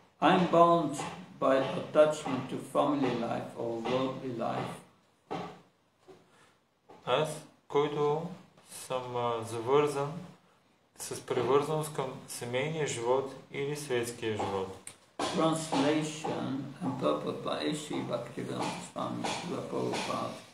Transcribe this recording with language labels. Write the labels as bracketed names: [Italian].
[English] I'm bound by attachment to family life or worldly life. [Bulgarian] Аз, който съм завързан с привързаност към семейния живот или светския живот. [English] Translation and purport by Sri Bhakti Prabhava Swami, Srila Prabhupada.